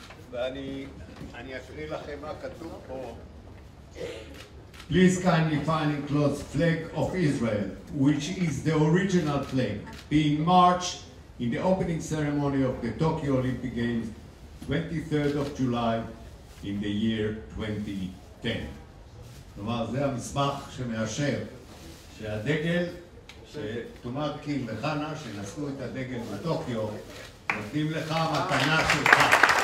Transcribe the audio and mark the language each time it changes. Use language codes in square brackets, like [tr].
[he] ואני אקריא לכם מה כתוב פה. [en] Please kindly find and close flag of Israel, which is the original flag, being marched in the opening ceremony of the Tokyo Olympic Games, 23rd of July, in the year 2010. [he] כלומר, זה המסמך שמאשר שהדגל, שתומרקין וחנה, שנשאו את הדגל בטוקיו, נותנים לך מתנה שלך.